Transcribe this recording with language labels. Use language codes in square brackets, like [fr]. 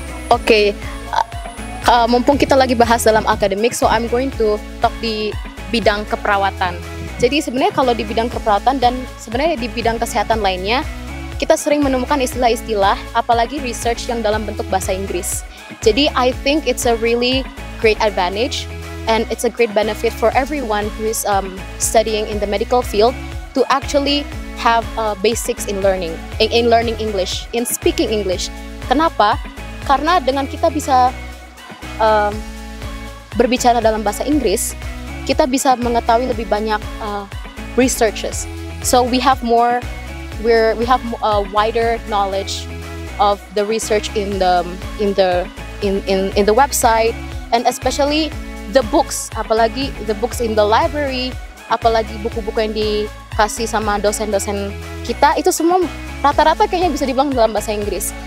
[id] Oke, mumpung kita lagi bahas dalam akademik, [en] so I'm going to talk [id] di bidang keperawatan. Jadi sebenarnya kalau di bidang keperawatan dan sebenarnya di bidang kesehatan lainnya, kita sering menemukan istilah-istilah, apalagi research yang dalam bentuk bahasa Inggris. Jadi [en] I think it's a really great advantage and it's a great benefit for everyone who is studying in the medical field to actually have basics in learning English, in speaking English. [id] Kenapa? Karena dengan kita bisa berbicara dalam bahasa Inggris, kita bisa mengetahui lebih banyak researches. [en] So we have a wider knowledge of the research in the website, and especially the books, [id] apalagi [en] the books in the library, [id] apalagi buku-buku yang dikasih sama dosen-dosen kita, itu semua rata-rata kayaknya bisa dibilang dalam bahasa Inggris.